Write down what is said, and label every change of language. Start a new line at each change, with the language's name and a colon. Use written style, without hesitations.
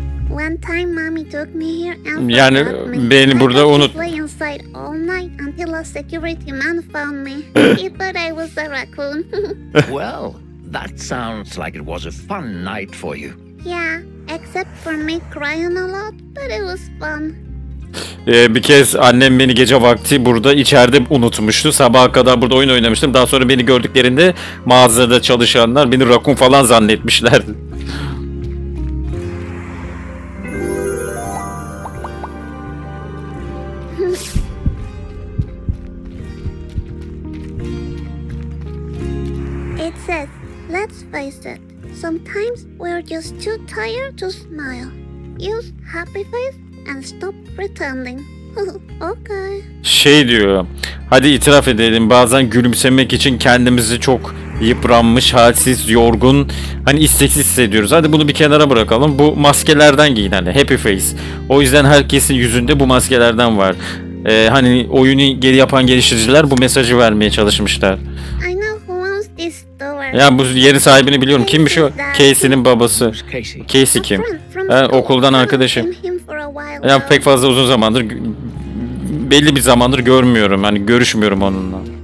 English: One time mommy took me here and
Turkish: yani beni burada unut.
English: Play inside all night until a security man found me. He thought I was a raccoon. Well, that sounds like it was a fun night for you. Yeah, except for me crying a lot, but it was fun.
Turkish: Bir kez annem beni gece vakti burada içeride unutmuştu. Sabaha kadar burada oyun oynamıştım. Daha sonra beni gördüklerinde mağazada çalışanlar beni rakun falan zannetmişlerdi.
English: It says, let's face it. Sometimes we're just too tired to smile. Use happy face and stop pretending. Okay.
Turkish: Şey diyor. Hadi itiraf edelim. Bazen gülümsemek için kendimizi çok yıpranmış, halsiz, yorgun, hani isteksiz hissediyoruz. Hadi bunu bir kenara bırakalım. Bu maskelerden giyin hani. Happy face. O yüzden herkesin yüzünde bu maskelerden var. Hani oyunu geri yapan geliştiriciler bu mesajı vermeye çalışmışlar.
English: I know who owns this store.
Turkish: Ya bu yerin sahibini biliyorum. Kim şu? Casey'nin babası. Casey kim? Okuldan arkadaşım. Ya pek fazla uzun zamandır, belli bir zamandır görmüyorum. Hani görüşmüyorum onunla.